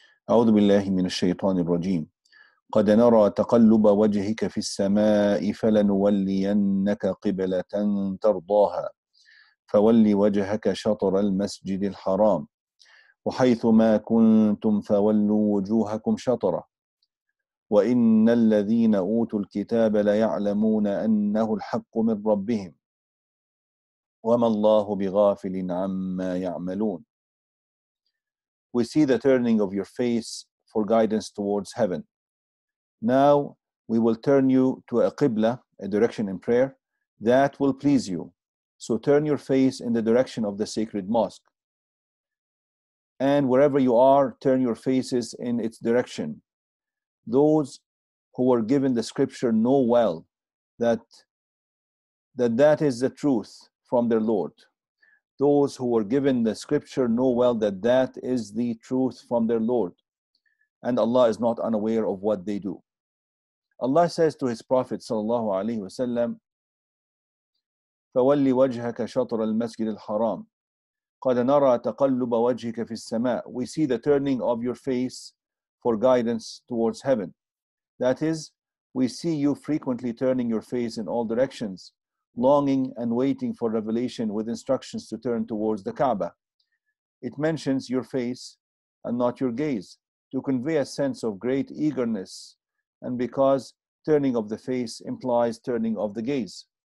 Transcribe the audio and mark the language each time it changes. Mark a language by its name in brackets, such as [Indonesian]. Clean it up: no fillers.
[Arabic] أعوذ بالله من الشيطان الرجيم. قد نرى تقلب وجهك في السماء فلنولينك قبلة ترضاها فولي وجهك شطر المسجد الحرام وحيثما كنتم فولوا وجوهكم شطرة وإن الذين أوتوا الكتاب ليعلمون أنه الحق من ربهم وما الله بغافل عما يعملون. [English] We see the turning of your face for guidance towards heaven. Now we will turn you to a qibla, a direction in prayer, that will please you. So turn your face in the direction of the sacred mosque. And wherever you are, turn your faces in its direction. Those who were given the scripture know well that is the truth from their Lord. Those who were given the scripture know well that is the truth from their Lord. And Allah is not unaware of what they do. Allah says to His Prophet sallallahu alaihi wasallam, [Arabic] فَوَلِّ وَجْهَكَ شَطْرَ الْمَسْجِدِ الْحَرَامِ قَدْ نَرَى تَقَلُّبَ وَجْهِكَ فِي السَّمَاءِ. [English] We see the turning of your face for guidance towards heaven. That is, we see you frequently turning your face in all directions, longing and waiting for revelation with instructions to turn towards the Kaaba. It mentions your face and not your gaze to convey a sense of great eagerness, and because turning of the face implies turning of the gaze.